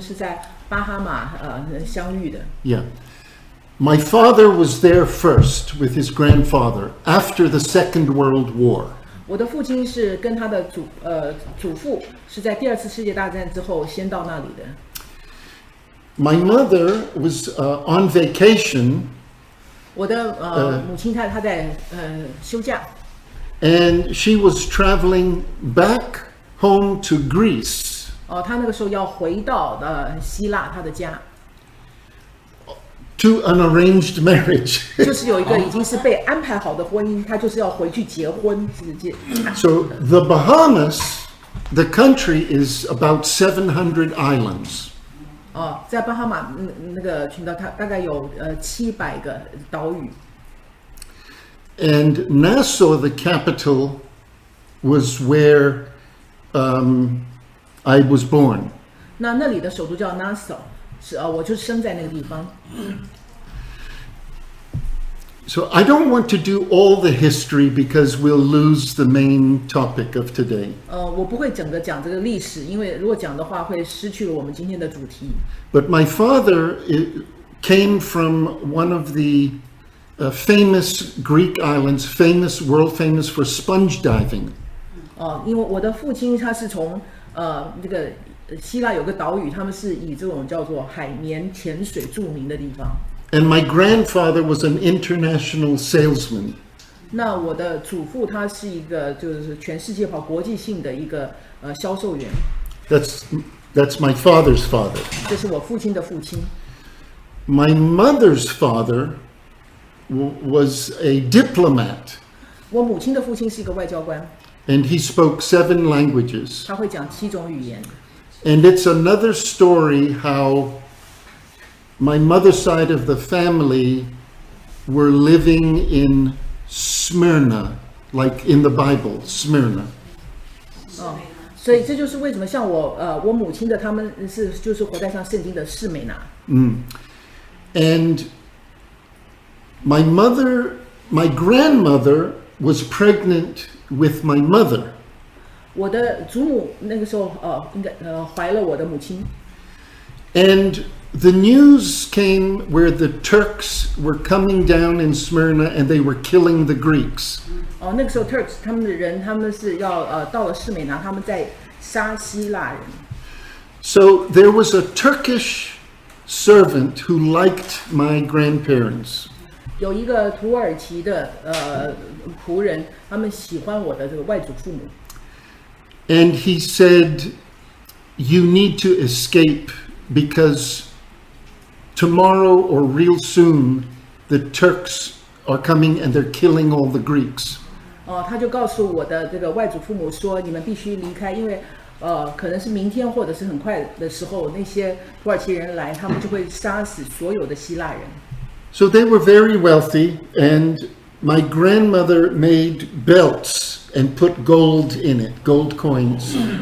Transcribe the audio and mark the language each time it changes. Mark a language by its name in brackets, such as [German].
[Chinese] 我不晓得大家知不知道我的故事哦，我的父母他们是在巴哈马相遇的。 [English] Yeah. My father was there first with his grandfather after the Second World War. [Chinese] 我的父亲是跟他的祖父是在第二次世界大战之后先到那里的。 [English] My mother was on vacation. [Chinese] 我的母亲她在休假。 [English] And she was traveling back home to Greece. [Chinese] 哦，她那个时候要回到希腊她的家。 [English] To an arranged marriage. [Chinese] 就是有一个已经是被安排好的婚姻，她就是要回去结婚。 [English] So the Bahamas, the country is about 700 islands. [Chinese] 哦，在巴哈马那个群岛，它大概有700个岛屿。 [English] And Nassau, the capital, was where I was born. [Chinese] 那里的首都叫 Nassau， 是啊，我就生在那个地方。 [English] So I don't want to do all the history because we'll lose the main topic of today. [Chinese] 我不会整个讲这个历史，因为如果讲的话会失去了我们今天的主题。 [English] But my father came from one of the famous Greek islands, famous, world famous for sponge diving. [Chinese] 因为我的父亲他是从这个希腊有个岛屿，他们是以这种叫做海绵潜水著名的地方。 [English] And my grandfather was an international salesman. [Chinese] 那我的祖父他是一个就是全世界跑国际性的一个销售员。 [English] That's my father's father. [Chinese] 这是我父亲的父亲。 [English] My mother's father was a diplomat. [Chinese] 我母亲的父亲是一个外交官。 [English] And he spoke seven languages. [Chinese] 他会讲七种语言。 [English] And it's another story how. My mother's side of the family were living in Smyrna, like in the Bible, Smyrna. [Chinese] 所以这就是为什么像我母亲的他们是就是活在像圣经的士美拿。 [English] And my grandmother was pregnant with my mother. [Chinese] 我的祖母那个时候应该怀了我的母亲。 [English] And The news came where the Turks were coming down in Smyrna and they were killing the Greeks. [Chinese] 那个时候 Turks 他们的人他们是要到了士美拿，他们在杀希腊人。 [English] So there was a Turkish servant who liked my grandparents. [Chinese] 有一个土耳其的仆人，他们喜欢我的这个外祖父母。 [English] And he said, "You need to escape because." Tomorrow or real soon, the Turks are coming and they're killing all the Greeks. [Chinese] 他就告诉我的这个外祖父母说，你们必须离开，因为可能是明天或者是很快的时候，那些土耳其人来，他们就会杀死所有的希腊人。 [English] So they were very wealthy, and my grandmother made belts and put gold in it, gold coins.